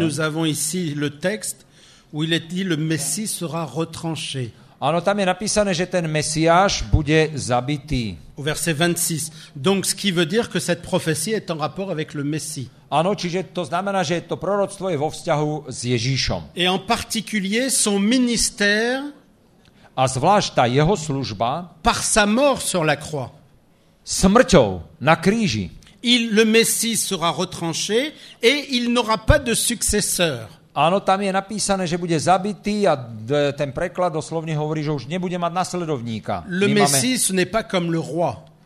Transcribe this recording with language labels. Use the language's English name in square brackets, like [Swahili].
[French] Nous avons ici le texte où il est dit le Messie sera retranché. [Slovak] Ano, tam je napísané, že ten Mesiáš bude zabitý. [French] Au verset 26. Donc ce qui veut dire que cette prophétie est en rapport avec le Messie. [Slovak] Ano, čiže to znamená, že to proroctvo je vo vzťahu s Ježíšom. [French] Et en particulier son ministère. [Slovak] A zvlášť tá jeho služba. [French] Par sa mort sur la croix. [Slovak] Smrťou na kríži. [French] Il, le Messie sera retranché et il n'aura pas de successeur. [Slovak] Áno, tam je napísané, že bude zabitý a ten preklad doslovne hovorí, že už nebude mať nasledovníka. [French] Le Messie, ce n'est pas comme le roi.